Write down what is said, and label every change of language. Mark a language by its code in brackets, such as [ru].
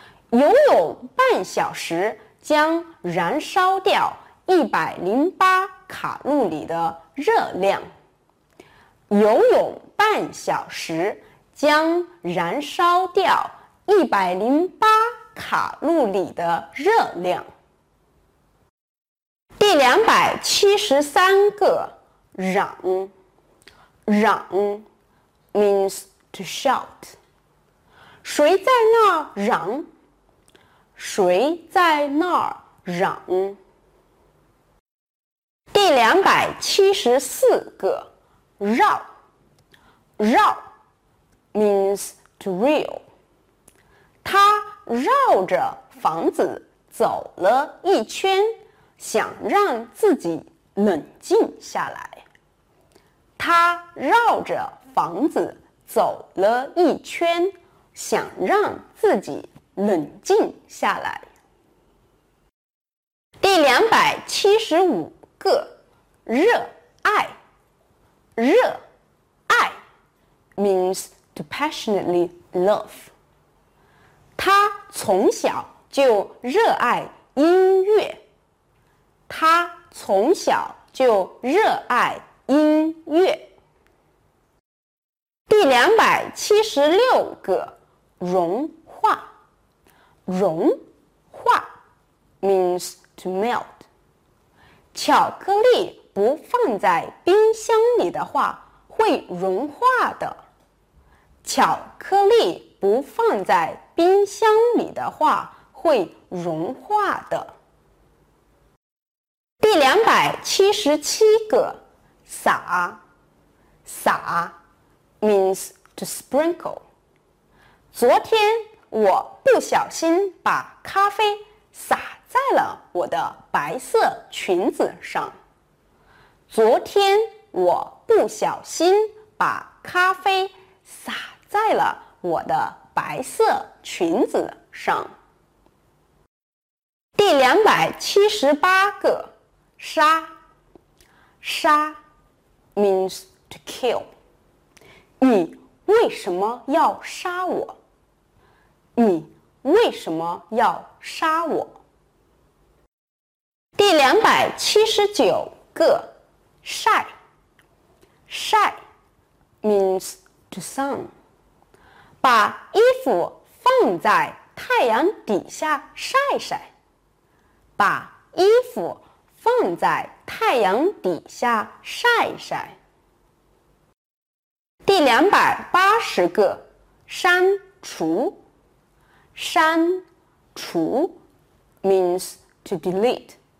[zh] 拥有半小时将燃烧掉108卡路里的热量。拥有半小时将燃烧掉108卡路里的热量。第273个嚷嚷 [en] means to shout. [zh] 谁在那儿嚷？谁在那儿嚷？第274个绕绕 [en] means to reel. [zh] 他绕着房子走了一圈，想让自己冷静下来。他绕着房子走了一圈，想让自己冷静下来。第275个热爱热爱 [en] means to passionately love. [zh] 他从小就热爱音乐。他从小就热爱音乐。第276个融化融化 [en] means to melt. [zh] 巧克力不放在冰箱里的话会融化的。巧克力不放在冰箱里的话会融化的。第277个洒洒 [en] means to sprinkle. [zh] 昨天我不小心把咖啡洒在了我的白色裙子上。昨天我不小心把咖啡洒在了我的白色裙子上。第278个杀杀 [en] means to kill. [zh] 你为什么要杀我？你为什么要杀我？第279个晒晒 [en] means to sun. [zh] 把衣服放在太阳底下晒晒。把衣服放在太阳底下晒晒。第280个删除删除 [en] means to delete.